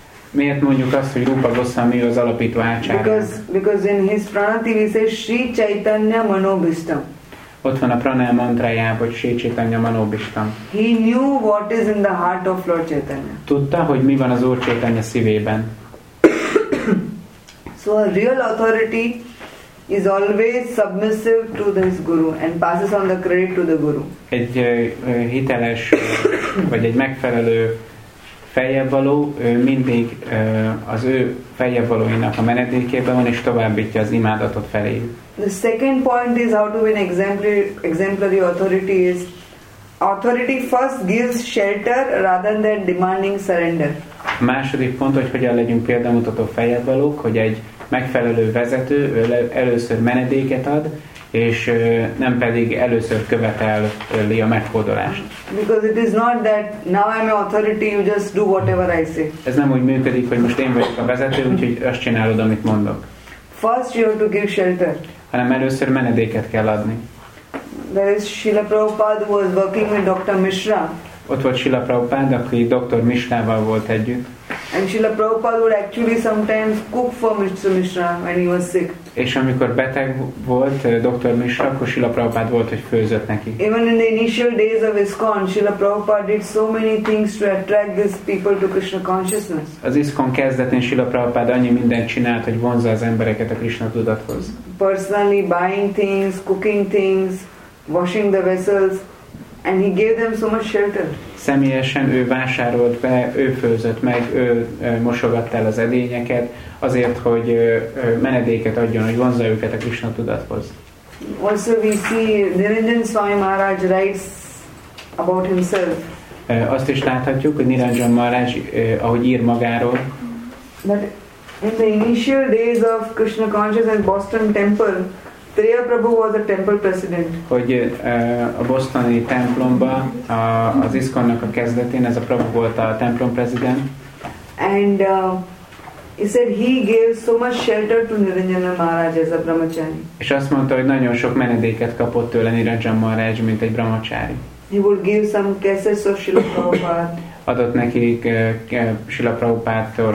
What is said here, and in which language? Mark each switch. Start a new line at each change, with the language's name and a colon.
Hungarian: Miért mondjuk azt, hogy Rupa Goswami az alapító ácsár?
English: Because in his pranati he says Sri Chaitanya Manobhistam.
Hungarian: Ott van a pranam mantrájában, hogy Sri Chaitanya Manobhistam.
English: He knew what is in the heart of Lord Chaitanya.
Hungarian: Tudta, hogy mi van az Úr Chaitanya szívében.
English: So a real authority is always submissive to his guru and passes on the credit to the guru.
Hungarian: Egy hiteles vagy egy megfelelő feljebbvaló, ő mindig az ő feljebbvalóinak a menedékében van, és továbbítja az imádatot felé.
English: The second point is how to be an exemplary authority is authority first gives shelter rather than demanding surrender.
Hungarian: A második pont, hogy hogyan legyünk példamutató feljebbvalók, hogy egy megfelelő vezető először menedéket ad, és nem pedig először követeli a meghódolást.
English: Because it is not that now I'm an authority, you just do whatever I say.
Hungarian: Ez nem úgy működik, hogy most én vagyok a vezető, úgyhogy azt csinálod, amit mondok.
English: First you have to give shelter.
Hungarian: Hanem először menedéket kell adni.
English: There is Srila Prabhupada who was working with Dr. Mishra.
Hungarian: Ott volt Srila Prabhupada, aki Dr. Mishrával volt együtt.
English: And Srila Prabhupada would actually sometimes cook for Mr. Mishra when he was sick.
Hungarian: És amikor beteg volt Dr. Mishra, akkor Srila Prabhupada volt, hogy főzött neki.
English: Even in the initial days of ISKCON, Srila Prabhupada did so many things to attract these people to Krishna consciousness.
Hungarian: Az ISKCON kezdetén Srila Prabhupada annyi mindent csinált, hogy vonzza az embereket a Krishna tudathoz.
English: Personally buying things, cooking things, washing the vessels, and he gave them so much shelter.
Hungarian: Személyesen ő vásárolt be, ő főzött meg, ő mosogatta el az edényeket, azért, hogy menedéket adjon, hogy vonzza őket a Krishna tudathoz.
English: Also we see Niranjan Swami Maharaj writes about himself.
Hungarian: Azt is láthatjuk, hogy Niranjan Maharaj, ahogy ír magáról.
English: that in the initial days of Krishna consciousness in Boston temple, Triya Prabhu was a temple president.
Hungarian: Hogy a bostoni templomban az iskolnak a kezdetén ez a Prabhu volt a templom president.
English: And he said he gave so much shelter to Niranjana Maharaj as a brahmachari.
Hungarian: És azt mondta, hogy nagyon sok menedéket kapott tőle Niranjana Maharaj, mint egy brahmachari.
English: He would give some cassettes of Srila Prabhupada.
Hungarian: Adott nekik Srila Prabhupádtól.